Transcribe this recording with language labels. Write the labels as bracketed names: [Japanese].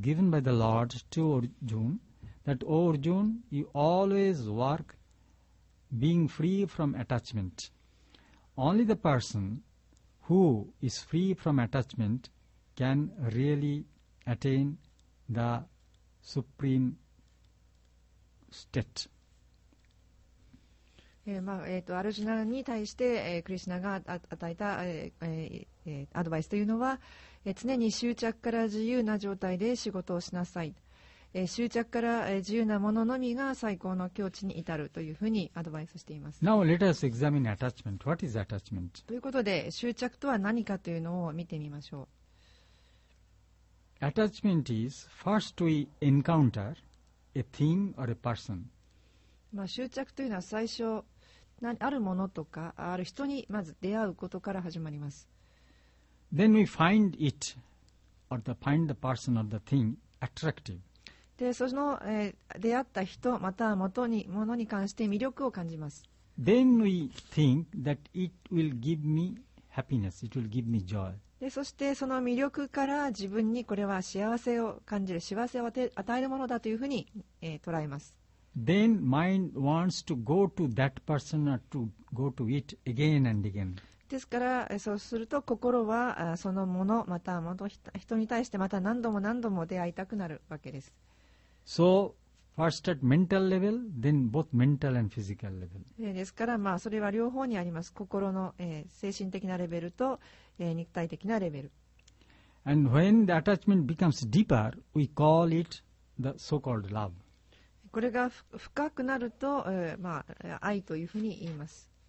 [English] That, O Arjuna, you always work being free from attachment. Only the person who is free from attachment can really attain the supreme state. [Japanese] まあアルジュナに対して、クリシュナが与えた、アドバイスというのは、常に執着から自由な状態で仕事をしなさい。執着から自由なもののみが最高の境地に至るというふうにアドバイスしています。 [English] Now let us examine attachment. What is attachment? [Japanese] ということで、執着とは何かというのを見てみましょう。 [English] Attachment is first we encounter a thing or a person. [Japanese] まあ執着というのは最初、あるものとかある人にまず出会うことから始まります。 [English] Then we find it or the find the person or the thing attractive. [Japanese] でその、出会った人または元にものに関して魅力を感じます。 [English] Then we think that it will give me happiness, it will give me joy. [Japanese] でそしてその魅力から自分にこれは幸せを感じる、幸せを与えるものだというふうに、捉えます。 [English] Then mind wants to go to that person or to go to it again and again. [Japanese] ですからそうすると心はそのものまた元人に対してまた何度も何度も出会いたくなるわけです。 [English] So, first at mental level, then both mental and physical level. [Japanese] ですから、まあ、それは両方にあります。心の、精神的なレベルと、肉体的なレベル。 [English] And when the attachment becomes deeper, we call it the so-called love. [Japanese] これが深くなると、まあ、愛というふうに言います。